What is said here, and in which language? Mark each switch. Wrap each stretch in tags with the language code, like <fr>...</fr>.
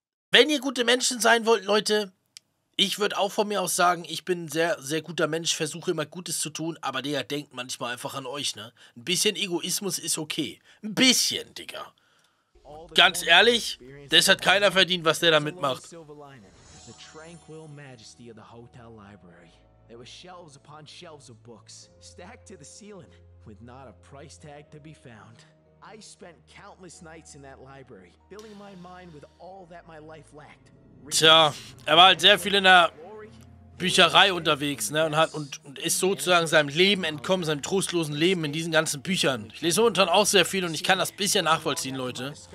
<de>Wenn ihr gute Menschen sein wollt, Leute, ich würde auch von mir aus sagen, ich bin ein sehr, sehr guter Mensch, versuche immer Gutes zu tun, aber der denkt manchmal einfach an euch, ne? Ein bisschen Egoismus ist okay. Ein bisschen, Digga. Ganz ehrlich, das hat keiner verdient, was der da mitmacht.</de> <en>The tranquil majesty of the hotel library. There were shelves upon shelves of books, stacked to the ceiling, with not a price tag to be found. I spent countless nights in that library, filling my mind with all that my life lacked.</en> <de>Tja, er war halt sehr viel in der Bücherei unterwegs, ne, und hat und ist sozusagen seinem Leben entkommen, seinem trostlosen Leben in diesen ganzen Büchern. Ich lese momentan auch sehr viel und ich kann das ein bisschen nachvollziehen, Leute.</de>